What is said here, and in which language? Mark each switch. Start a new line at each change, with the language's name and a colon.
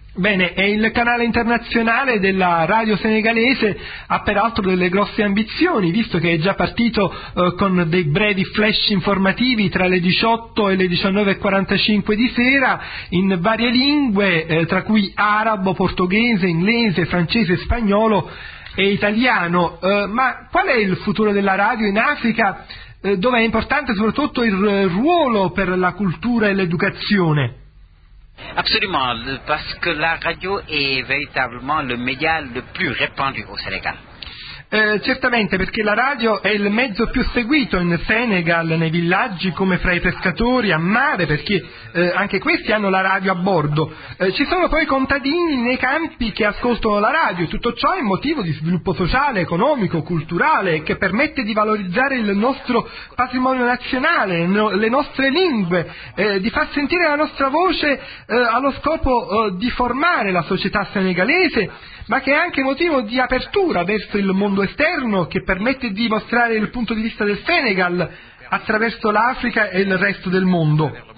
Italian: Bene, e il canale internazionale della radio senegalese ha peraltro delle grosse ambizioni, visto che è già partito con dei brevi flash informativi tra le 18 e le 19.45 di sera in varie lingue, tra cui arabo, portoghese, inglese, francese, spagnolo e italiano. Ma qual è il futuro della radio in Africa, dove è importante soprattutto il ruolo per la cultura e l'educazione?
French: Absolument, parce que la radio est véritablement le média le plus répandu au Sénégal.
Italian: Certamente, perché la radio è il mezzo più seguito in Senegal, nei villaggi, come fra i pescatori, a mare, perché anche questi hanno la radio a bordo. Ci sono poi contadini nei campi che ascoltano la radio, tutto ciò è motivo di sviluppo sociale, economico, culturale, che permette di valorizzare il nostro patrimonio nazionale, le nostre lingue, di far sentire la nostra voce allo scopo di formare la società senegalese, ma che è anche motivo di apertura verso il mondo esterno, che permette di mostrare il punto di vista del Senegal attraverso l'Africa e il resto del mondo.